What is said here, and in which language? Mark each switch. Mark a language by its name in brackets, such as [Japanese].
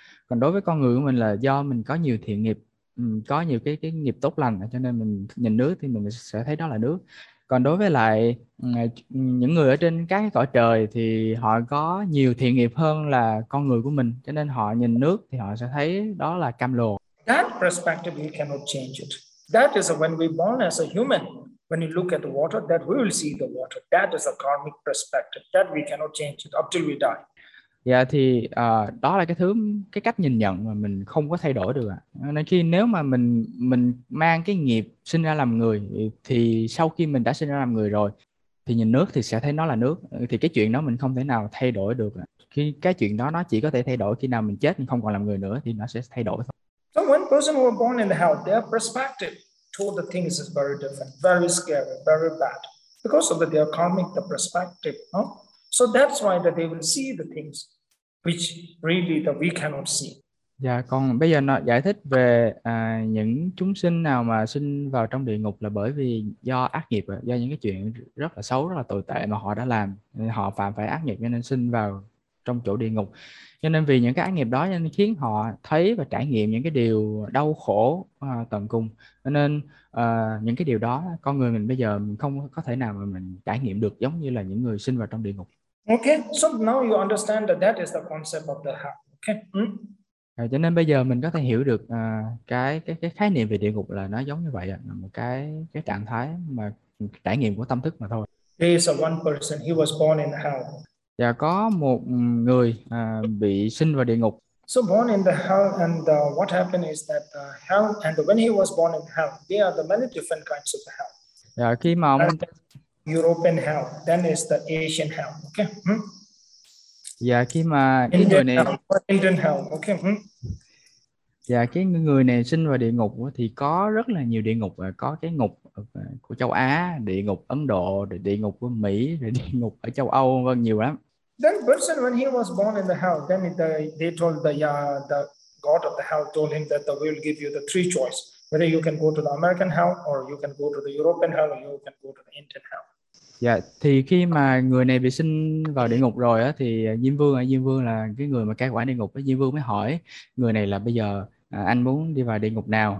[Vietnamese] Còn đối với con người của mình là do mình có nhiều thiện nghiệp, có nhiều cái nghiệp tốt lành, cho nên mình nhìn nước thì mình sẽ thấy đó là nước. Còn đối với lại những người ở trên các cõi trời thì họ có nhiều thiện nghiệp hơn là con người của mình, cho nên họ nhìn nước thì họ sẽ thấy đó là cam lồ. [English] That perspective we cannot change it. That is when we born as a human, when you look at the water, that we will see the water. That is a karmic perspective. That we cannot change it up till we die. [Vietnamese] Dạ, thì đó là cái cách nhìn nhận mà mình không có thay đổi được ạ. Nên khi nếu mà mình mang cái nghiệp sinh ra làm người thì sau khi mình đã sinh ra làm người rồi thì nhìn nước thì sẽ thấy nó là nước, thì cái chuyện đó mình không thể nào thay đổi được ạ. Khi cái chuyện đó nó chỉ có thể thay đổi khi nào mình chết, mình không còn làm người nữa thì nó sẽ thay đổi thôi. [English] So when person were born in the hell, their perspective toward the things is very different, very scary, very bad because of their karmic the perspective, no? So that's why that they will see the things which really that we cannot see. [Vietnamese] Dạ, còn bây giờ nó giải thích về những chúng sinh nào mà sinh vào trong địa ngục là bởi vì do ác nghiệp, do những cái chuyện rất là xấu, rất là tồi tệ mà họ đã làm, họ phạm phải ác nghiệp cho nên sinh vào trong chỗ địa ngục. Cho nên vì những cái ác nghiệp đó nên khiến họ thấy và trải nghiệm những cái điều đau khổ tận cùng. Cho nên những cái điều đó con người mình bây giờ không có thể nào mà mình trải nghiệm được giống như là những người sinh vào trong địa ngục. [English] Okay, so now you understand that that is the concept of the hell. Okay. [Vietnamese] À, cho nên bây giờ mình có thể hiểu được cái khái niệm về địa ngục là nó giống như vậy, là một cái trạng thái mà trải nghiệm của tâm thức mà thôi. [English] There is a one person, he was born in hell. [Vietnamese] Và có một người bị sinh vào địa ngục. [English] So born in the hell, and what happened is that hell, and when he was born in hell, there are the many different kinds of hell. [Vietnamese] Dạ, khi mà [English] European hell, then is the Asian hell, okay? [Vietnamese] Dạ, khi mà cái người này [English] Indian hell, okay? [Vietnamese] Dạ, cái người này sinh vào địa ngục thì có rất là nhiều địa ngục, có cái ngục của châu Á, địa ngục Ấn Độ, địa ngục của Mỹ, địa ngục ở châu Âu, vân nhiều lắm. [English] Then person when he was born in the hell, then they told the God of the hell told him that we will give you the three choice, whether you can go to the American hell or you can go to the European hell or you can go to the Indian hell. [Vietnamese] Dạ, thì khi mà người này bị sinh vào địa ngục rồi á, thì Diêm Vương là cái người mà cai quản địa ngục, Diêm Vương mới hỏi người này là bây giờ anh muốn đi vào địa ngục nào?